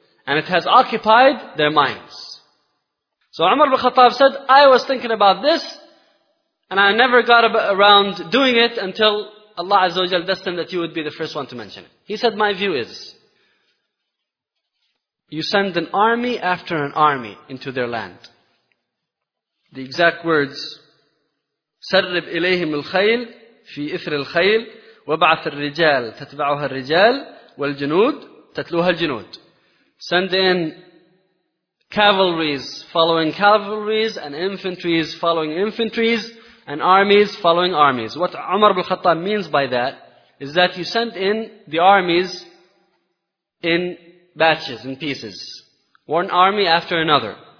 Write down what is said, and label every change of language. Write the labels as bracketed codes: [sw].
[en] And it has occupied their minds. So Umar ibn Khattab said, I was thinking about this, and I never got around doing it until Allah Azza wa Jal destined that you would be the first one to mention it. He said, my view is, you send an army after an army into their land. The exact words, [ar] سَرِّبْ إِلَيْهِمُ الْخَيْلِ فِي إِثْرِ الْخَيْلِ وَبَعَثِ الرِّجَالِ تَتْبَعُهَا الرِّجَالِ وَالْجُنُودِ تَتْلُوهَا الْجُنُودِ. [en] Send in cavalries following cavalries, and infantries following infantries, and armies following armies. What Umar ibn Khattab means by that is that you send in the armies in batches, in pieces, one army after another.